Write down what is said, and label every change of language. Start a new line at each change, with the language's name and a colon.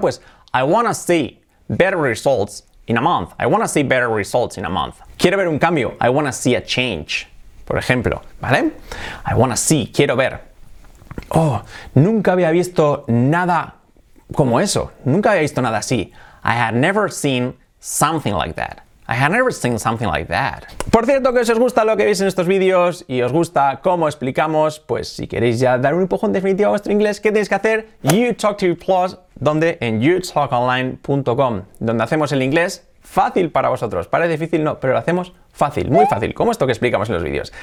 English: Pues, I wanna see better results in a month. I wanna see better results in a month.
Spanish: Quiero ver un cambio.
English: I wanna see a change.
Spanish: por ejemplo, ¿vale?
English: I wanna see,
Spanish: quiero ver. Oh, nunca había visto nada como eso. Nunca había visto nada así.
English: I had never seen something like that. I had never seen something like that.
Spanish: Por cierto, que si os gusta lo que veis en estos vídeos y os gusta cómo explicamos, pues si queréis ya dar un empujón definitivo a vuestro inglés, ¿qué tenéis que hacer? YouTalkTV Plus, donde en youtalkonline.com, donde hacemos el inglés fácil para vosotros. Parece difícil, no, pero lo hacemos fácil, muy fácil, como esto que explicamos en los vídeos.